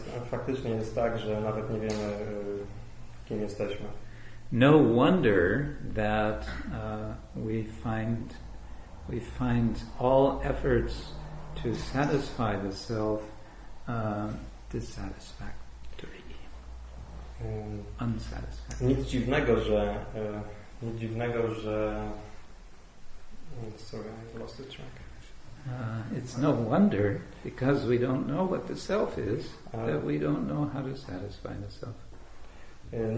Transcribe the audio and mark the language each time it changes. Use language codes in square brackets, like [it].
[pl] Faktycznie jest tak, że nawet nie wiemy kim jesteśmy. [en] No wonder that we find all efforts to satisfy the self dissatisfactory. Unsatisfactory. [pl] Nic dziwnego, że [en] sorry, I lost the track. It's no wonder, because we don't know what the self is, that we don't know how to satisfy the self.